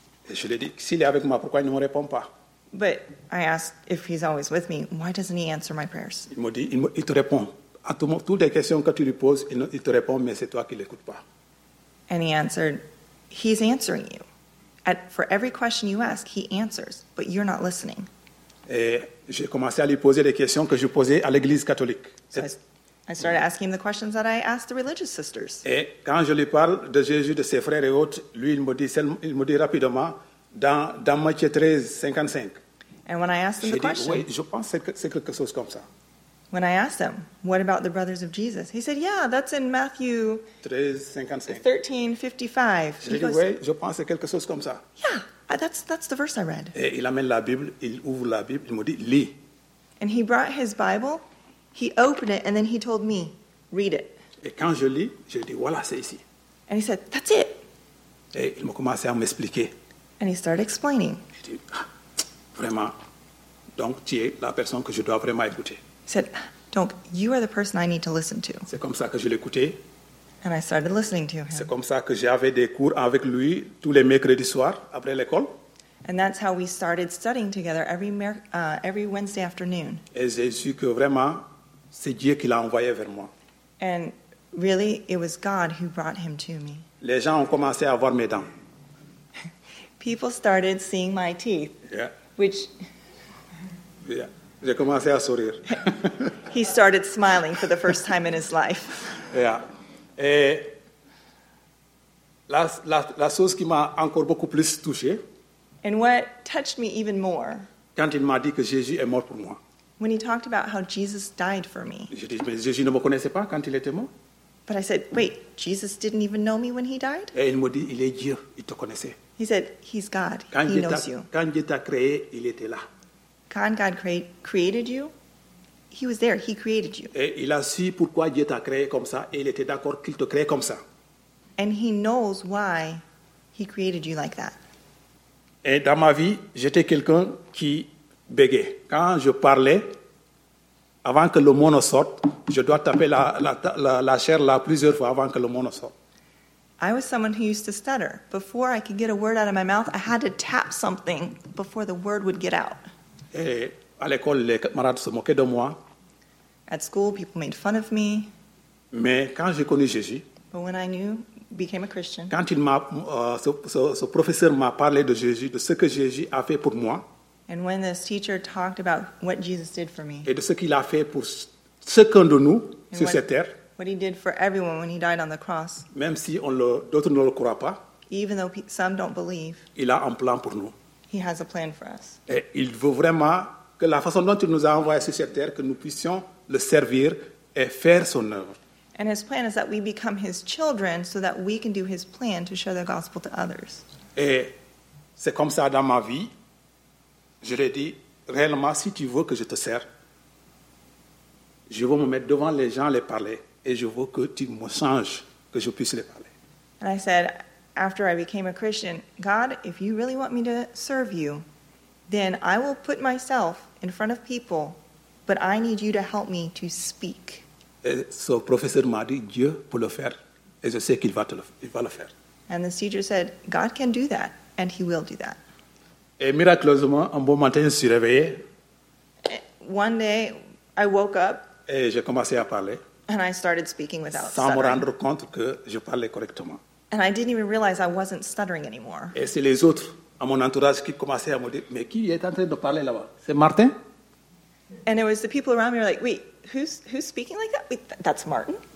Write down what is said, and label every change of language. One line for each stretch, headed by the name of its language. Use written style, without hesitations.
French: Et je lui ai dit, s'il est avec moi, pourquoi il ne me répond pas?
English: But I asked, if he's always with me, why doesn't he answer my prayers?
French: Il me dit, il te répond. À toutes les questions que tu lui poses, il te répond, mais c'est toi qui ne l'écoutes pas.
English: And he answered, he's answering you. For every question you ask, he answers, but you're not listening.
French: Et j'ai commencé à lui poser les questions que je posais à l'église catholique.
English: I started asking him the questions that I asked the religious sisters.
French: Et quand je lui parle de Jésus, de ses frères et autres, lui, il me dit rapidement, dans Matthieu 13, 55.
English: And when I asked him the question,
French: oui, je pense que c'est quelque chose comme ça.
English: When I asked him, what about the brothers of Jesus? He said, yeah, that's in Matthew 13:55.
French: Oui, je pense que quelque chose comme ça.
English: Yeah, that's the verse I read.
French: Et il amène la Bible, il ouvre la Bible, il me dit, lis.
English: And he brought his Bible, he opened it, and then he told me, read it.
French: Et quand je lis, je dis, voilà, c'est ici.
English: And he said, that's it.
French: Et il m'a commencé à m'expliquer.
English: And he started explaining.
French: Je dis, ah, vraiment, donc tu es la personne que je dois vraiment écouter.
English: He said, donc, you are the person I need to listen to.
French: C'est comme ça que je l'écoutais.
English: And I started listening to him.
French: C'est comme ça que j'avais des cours avec lui tous les mercredis soirs après l'école.
English: And that's how we started studying together every Wednesday afternoon.
French: Et j'ai su que vraiment, c'est Dieu qui l'a envoyé vers moi.
English: And really, it was God who brought him to me.
French: Les gens ont commencé à voir mes dents.
English: People started seeing my teeth. Yeah. Which...
French: Yeah. J'ai commencé à sourire.
English: He started smiling for the first time in his life. Yeah.
French: Et la chose qui m'a encore beaucoup plus touché.
English: And what touched me even more.
French: Quand il m'a dit que Jésus est mort pour moi.
English: When he talked about how Jesus died for me.
French: Je dis, mais Jésus ne me connaissait pas quand il était mort.
English: But I said, wait, Jesus didn't even know me when he died?
French: Et il me dit, il est Dieu, il te connaissait.
English: He said, he's God,
French: quand
English: he knows you.
French: Quand Dieu t'a créé, il était là.
English: Quand God created you, he was there, he created you.
French: Et il a su pourquoi Dieu t'a créé comme ça, et il était d'accord qu'il te crée comme ça.
English: And he knows why he created you like that.
French: Et dans ma vie, j'étais quelqu'un qui bégayait. Quand je parlais, avant que le mot ne sorte, je dois taper la chair là plusieurs fois avant que le mot ne sorte.
English: I was someone who used to stutter. Before I could get a word out of my mouth, I had to tap something before the word would get out.
French: Et à l'école, les camarades se moquaient de moi.
English: At school, people made fun of me.
French: Mais quand j'ai connu Jésus,
English: but when I knew, became a Christian,
French: quand ce professeur m'a parlé de Jésus, de ce que Jésus a fait pour moi,
English: and when this teacher talked about what Jesus did for me,
French: et de ce qu'il a fait pour chacun de nous sur cette terre,
English: what he did for everyone when he died on the cross,
French: même si d'autres ne le croient pas,
English: even though some don't believe,
French: il a un plan pour nous.
English: He has a plan for us.
French: Et il veut vraiment que la façon dont il nous a envoyé sur cette terre, que nous puissions le servir et faire son œuvre.
English: And his plan is that we become his children so that we can do his plan to share the gospel to others.
French: Et c'est comme ça dans ma vie. Je lui ai dit, réellement, si tu veux que je te serve, je veux me mettre devant les gens, les parler, et je veux que tu me changes, que je puisse les parler.
English: And I said, after I became a Christian, God, if you really want me to serve you, then I will put myself in front of people, but I need you to help me to speak.
French: Et ce professeur m'a dit, Dieu peut le faire, et je sais qu'il va le faire.
English: And the teacher said, God can do that, and he will do that.
French: Et miraculeusement, un bon matin, je suis réveillé.
English: One day, I woke up.
French: Et j'ai commencé à parler.
English: And I started speaking without
French: sans
English: stuttering.
French: Me rendre compte que je parlais correctement.
English: And I didn't even realize I wasn't stuttering anymore.
French: Et c'est les autres à mon entourage qui commençaient à me dire, mais qui est en train de parler là-bas? C'est Martin?
English: And it was the people around me were like, wait, who's speaking like that? Wait, that's Martin.